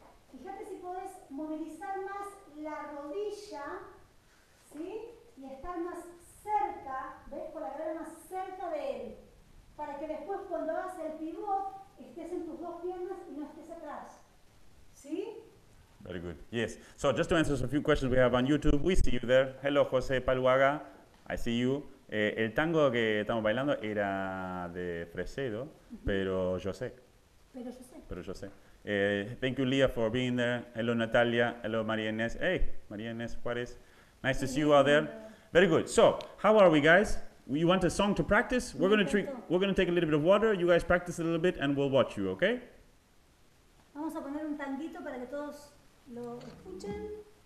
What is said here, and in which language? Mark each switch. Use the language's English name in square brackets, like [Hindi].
[Spanish] Fíjate si podés movilizar más la rodilla, ¿sí? Y estar más cerca, ¿ves? Con la cadera más cerca de él. Para que después, cuando hagas el pivot, estés en tus dos piernas y no estés atrás. ¿Sí? [English] Very good. Yes. So just to answer a few questions we have on YouTube, we see you there. Hello, José Paluaga. I see you. [Spanish] El tango que estamos bailando era de Fresedo, pero yo sé. Pero yo sé. Pero yo sé. [English] Thank you, Leah, for being there. Hello, Natalia. Hello, María Inés. Hey, María Inés Juárez. Nice to see you out there. Very good. So, how are we, guys? You want a song to practice? We're going to take a little bit of water. You guys practice a little bit, and we'll watch you, okay? [Spanish] Vamos a poner un tanguito para que todos lo escuchen.